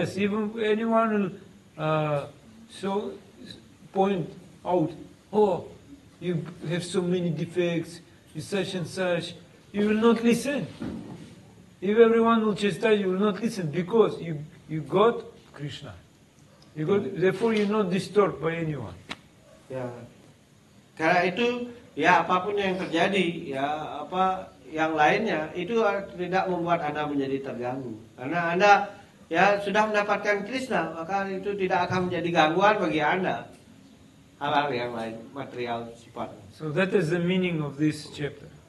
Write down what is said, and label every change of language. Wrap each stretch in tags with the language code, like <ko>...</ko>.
<en>Yes, even anyone will point out, oh, you have so many defects, you such and such, you will not listen. If everyone will chastise, you will not listen because you got Krishna. You got, therefore, you're not disturbed by anyone.</en> <id>Ya, karena itu ya apapun yang terjadi ya apa yang lainnya itu tidak membuat Anda menjadi terganggu. Karena Anda ya sudah mendapatkan Krishna, maka itu tidak akan menjadi gangguan bagi Anda hal-hal yang lain material sifat.</id> <en>So that is the meaning of this chapter.</en>